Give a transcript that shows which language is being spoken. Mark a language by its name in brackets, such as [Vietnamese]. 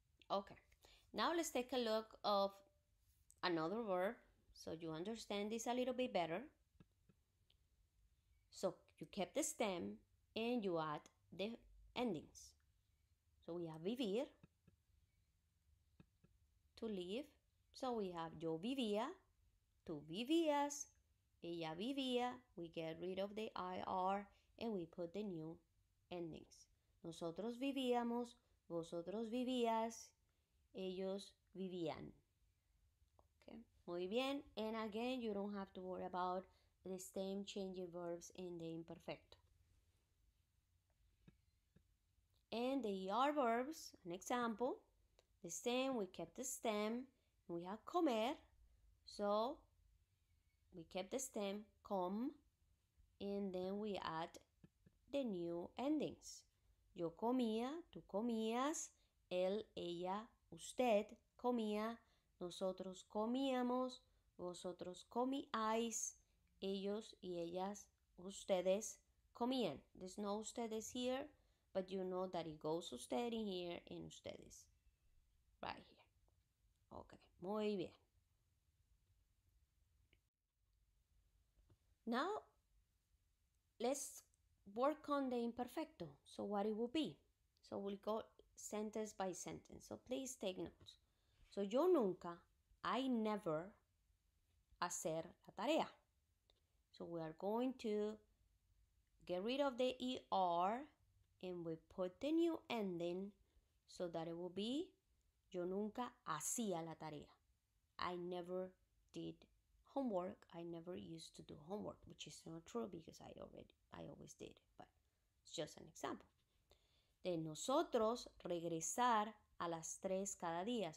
[English] Okay, now let's take a look of another verb so you understand this a little bit better. So you kept the stem and you add the endings. So we have vivir, to live. So we have [Spanish] yo vivía, tú vivías, ella vivía. [English] We get rid of the IR and we put the new endings. [Spanish] Nosotros vivíamos, vosotros vivías, ellos vivían. Okay, muy bien. [English] And again, you don't have to worry about the same changing verbs in the imperfecto. And the ER verbs, an example, the same, we kept the stem, we have comer, so we kept the stem, com, and then we add the new endings. [Spanish] Yo comía, tú comías, él, ella, usted comía, nosotros comíamos, vosotros comíais, ellos y ellas, ustedes comían. [English] There's no ustedes here, but you know that it goes usted in here and ustedes. Right here. Okay, [Spanish] muy bien. [English] Now, let's work on the imperfecto. So what it will be. So we'll go sentence by sentence. So please take notes. [Spanish] So yo nunca, [English] I never, [Spanish] hacer la tarea. [English] So we are going to get rid of the ER and we put the new ending so that it will be [Spanish] yo nunca hacía la tarea. [English] I never did homework. I never used to do homework, which is not true because I always did it, but it's just an example. [Spanish] De nosotros regresar a las tres cada día.